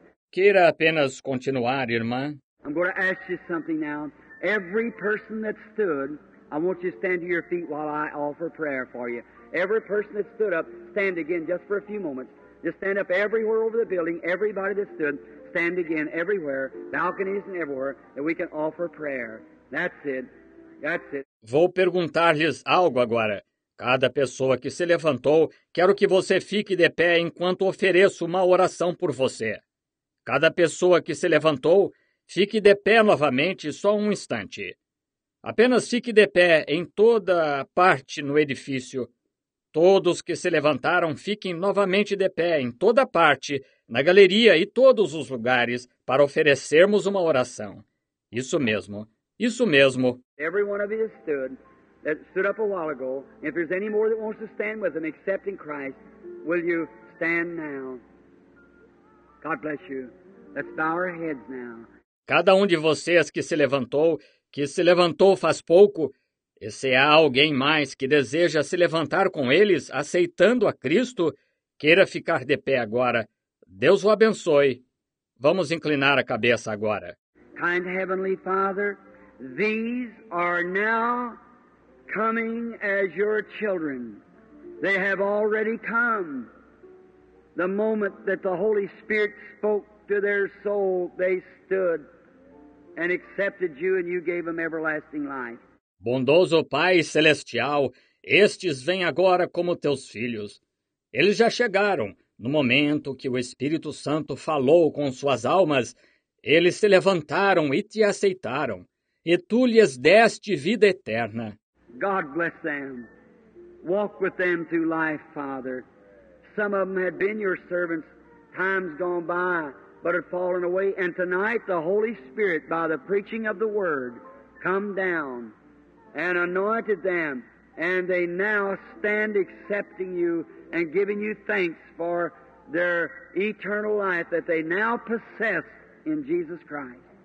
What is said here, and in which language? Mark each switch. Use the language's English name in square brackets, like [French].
[Portuguese] Queira apenas continuar, irmã. [English] I'm going to ask you something now. Every person that stood, I want you to stand to your feet while I offer prayer for you. Every person that stood up, stand again just for a few moments. Just stand up everywhere over the building, everybody that stood, stand again everywhere, balconies and everywhere, that we can offer prayer. That's it. That's it. [Portuguese] Vou perguntar-lhes algo agora. Cada pessoa que se levantou, quero que você fique de pé enquanto ofereço uma oração por você. Cada pessoa que se levantou, fique de pé novamente, só um instante. Apenas fique de pé em toda a parte no edifício. Todos que se levantaram, fiquem novamente de pé em toda a parte, na galeria e todos os lugares, para oferecermos uma oração. Isso mesmo. Isso mesmo. [English] Every one of you stood up a while ago. If there's any more that wants to stand with them, accepting Christ, will you stand now? God bless you. Let's bow our heads now. [Portuguese] Cada um de vocês que se levantou faz pouco, e se há alguém mais que deseja se levantar com eles, aceitando a Cristo, queira ficar de pé agora. Deus o abençoe. Vamos inclinar a cabeça agora. [English] Kind Heavenly Father, these are now coming as your children. They have already come. The moment that the Holy Spirit spoke to their soul, they stood and accepted you, and you gave them everlasting life. [Portuguese] Bondoso Pai Celestial, estes vêm agora como teus filhos. Eles já chegaram. No momento que o Espírito Santo falou com suas almas, eles se levantaram e te aceitaram, e tu lhes deste vida eterna. [English] God bless them. Walk with them through life, Father. Some of them had been your servants times gone by, but had fallen away, and tonight the Holy Spirit, by the preaching of the Word, come down and anointed them, and they now stand accepting you and giving you thanks for their eternal life that they now possess in Jesus Christ.